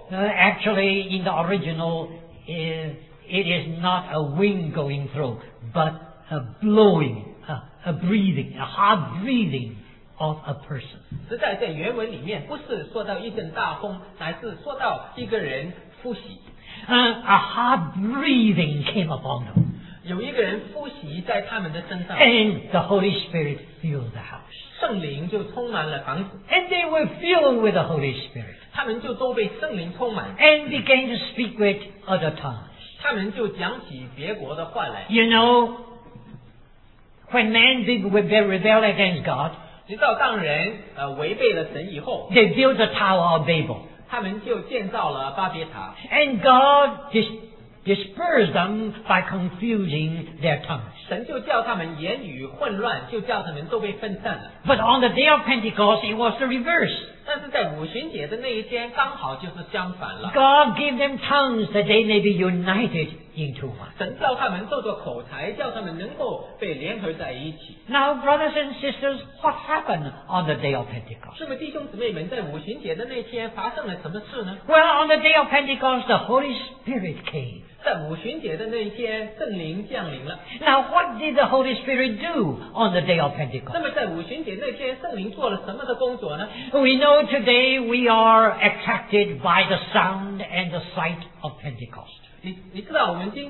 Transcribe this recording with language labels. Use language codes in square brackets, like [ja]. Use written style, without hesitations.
[en] Actually, in the original, it is not a wind going through, but a blowing, a breathing, a hard breathing of a person. [zh] 实在在原文里面不是说到一阵大风，乃是说到一个人呼吸。 [en] A hard breathing came upon them. [zh] 有一个人呼吸在他们的身上。 [en] And the Holy Spirit filled the house. [zh] 圣灵就充满了房子。 [en] And they were filled with the Holy Spirit. [zh] 他们就都被圣灵充满。 [en] And began to speak with other tongues. [zh] 他们就讲起别国的话来。 [en] You know, when man did rebel against God, [zh] 直到当人违背了神以后， [en] they built the Tower of Babel. [zh] 他们就建造了巴别塔。 [en] And God dispersed them by confusing their tongues. [zh] 神就叫他们言语混乱，就叫他们都被分散了。 [en] But on the day of Pentecost, it was the reverse. [zh] 但是在五旬节的那一天，刚好就是相反了。 [en] God gave them tongues that they may be united into one. [zh] 神叫他们做做口才, 叫他们能够被联合在一起。 [en] Now, brothers and sisters, what happened on the day of Pentecost? [zh] 那么弟兄姊妹们在五旬节的那天发生了什么事呢? [en] Well, on the day of Pentecost, the Holy Spirit came. [zh] 在五旬节的那一天，圣灵降临了。 [en] Now, what did the Holy Spirit do on the day of Pentecost? [zh] 那么在五旬节那天，圣灵做了什么的工作呢? [en] We know today we are attracted by the sound and the sight of Pentecost.